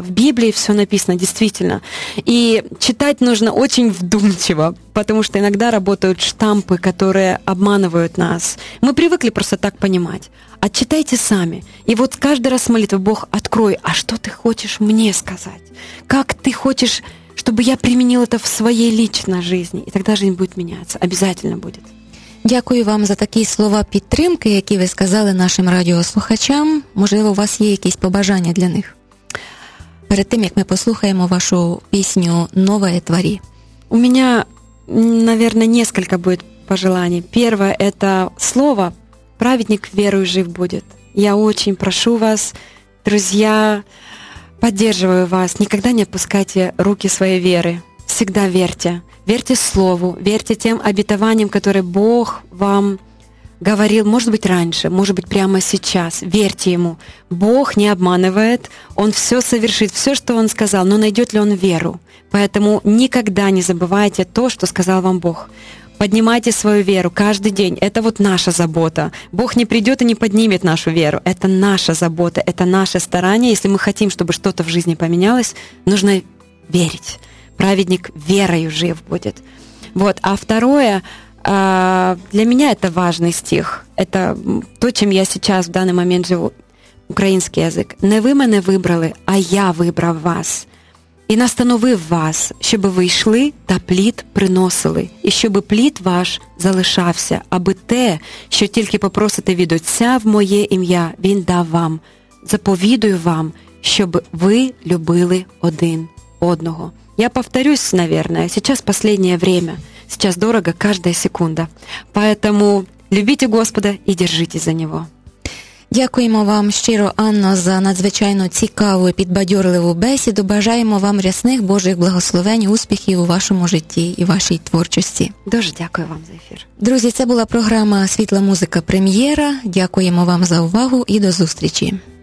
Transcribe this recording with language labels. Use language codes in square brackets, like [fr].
[ru] В Библии все написано, действительно. И читать нужно очень вдумчиво, потому что иногда работают штампы, которые обманывают нас. Мы привыкли просто так понимать. Отчитайте сами. И вот каждый раз молитва: «Бог, открой, а что ты хочешь мне сказать? Как ты хочешь, чтобы я применил это в своей личной жизни?» И тогда жизнь будет меняться. Обязательно будет. [uk] Дякую вам за такі слова підтримки, які ви сказали нашим радіослухачам. Можливо, у вас є якісь побажання для них? Перед тим, як ми послухаємо вашу пісню «Нове тварі». У мене, мабуть, кілька буде пожеланий. Перше – це слово «Праведник верою жив буде». Я дуже прошу вас, друзі, підтримую вас, ніколи не опускайте руки своєї віри. Завжди вірте. [ru] Верьте Слову, верьте тем обетованиям, которые Бог вам говорил, может быть, раньше, может быть, прямо сейчас. Верьте Ему. Бог не обманывает, Он все совершит, все, что Он сказал, но найдет ли Он веру? Поэтому никогда не забывайте то, что сказал вам Бог. поднимайте свою веру каждый день. Это вот наша забота. Бог не придет и не поднимет нашу веру. Это наша забота, это наше старание. Если мы хотим, чтобы что-то в жизни поменялось, нужно верить. Праведник верою жив будет. Вот. А второе, для меня это важный стих. Это то, чем я сейчас в данный момент живу. [uk] Український язик. Не ви мене вибрали, а я вибрав вас. І настановив вас, щоб ви йшли та плід приносили. І щоб плід ваш залишався, аби те, що тільки попросите від Отця в моє ім'я, він дав вам. Заповідую вам, щоб ви любили один одного. [ru] Я повторюсь, наверное, сейчас последнее время. Сейчас дорого каждая секунда. Поэтому любите Господа и держитесь за Него. [uk] Дякуємо вам щиро, Анно, за надзвичайно цікаву і підбадьорливу бесіду. Бажаємо вам рясних Божих благословень, успіхів у вашому житті і вашій творчості. Дуже дякую вам за ефір. Друзі, це була програма «Світла музика прем'єра». Дякуємо вам за увагу і до зустрічі.